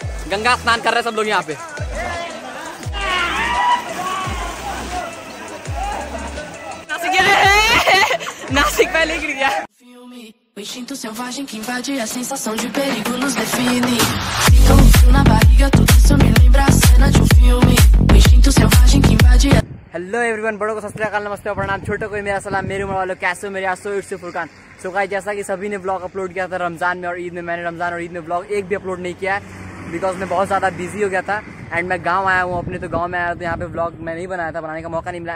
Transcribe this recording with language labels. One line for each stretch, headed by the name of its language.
Hindi: गंगा स्नान कर रहे हैं सब लोग यहाँ पे। नासिक गिर गया, नासिक पहले गिर गया।
Portuguese: Instinto selvagem que invade a sensação de perigo nos define. Sinto um frio na barriga, tudo isso me lembra a cena de um filme. Instinto selvagem que invade a...
Hindi: hello everyone, बड़ों को सत श्री अकाल, नमस्ते, प्रणाम, छोटों को मेरा सलाम, मेरी उम्र वालों कैसे हो, मेरे यहाँ so it's Furqan. So guys, जैसा कि सभी ने ब्लॉग अपलोड किया था रमजान में और ईद में, मैंने रमजान और ईद में ब्लॉग एक भी अपलोड नहीं किया है बिकॉज मैं बहुत ज्यादा बिजी हो गया था। एंड मैं गांव आया हूँ अपने, तो गांव में आया तो यहाँ पे ब्लॉग मैं नहीं बनाया था, बनाने का मौका नहीं मिला।